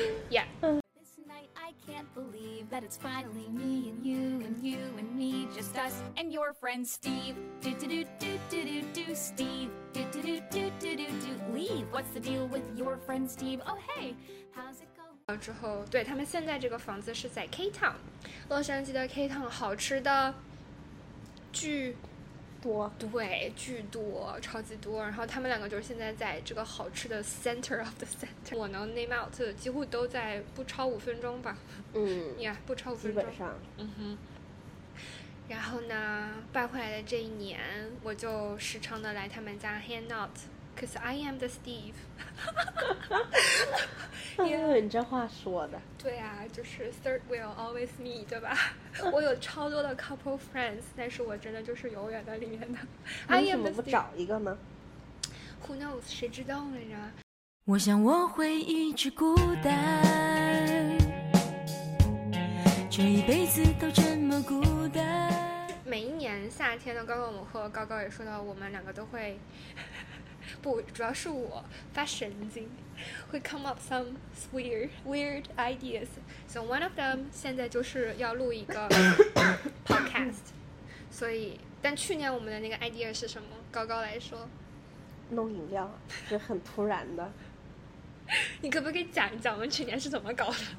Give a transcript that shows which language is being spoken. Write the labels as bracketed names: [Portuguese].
[English] Yeah， This night I can't believe that it's finally me and you and you and me, just us and your friend Steve. Do do do do do do do Steve. Do do do do do do do leave. What's the deal with your friend Steve? Oh hey, how's it going? [Chinese] 之后对他们现在这个房子是在 K Town， 洛杉矶的 K Town， 好吃的巨多，对，巨多，超级多。然后他们两个就是现在在这个好吃的 [English] center of the center， [Chinese] 我能 [English] name out [Chinese] 几乎都在不超五分钟吧。 Yeah， 不超五分钟基本上。然后呢，搬回来的这一年，我就时常的来他们家 hang out， [English] cause I am the Steve。 [Chinese] yeah， 你这话说的。对啊，就是 [English] third wheel always me， [Chinese] 对吧？我有超多的 couple friends， 但是我真的就是永远在里面的。为什么不找一个呢？ [English] Who knows？ [Chinese] 谁知道来着？我想我会一直孤单，这一辈子都这么孤单。每一年夏天呢，刚刚我们和高高也说到，我们两个都会。不，主要是我发神经，会 [English] come up some weird ideas. So one of them [Chinese] 现在就是要录一个 podcast. 所以，但去年我们的那个 idea 是什么？高高来说，弄饮料是很突然的。你可不可以讲一讲我们去年是怎么搞的？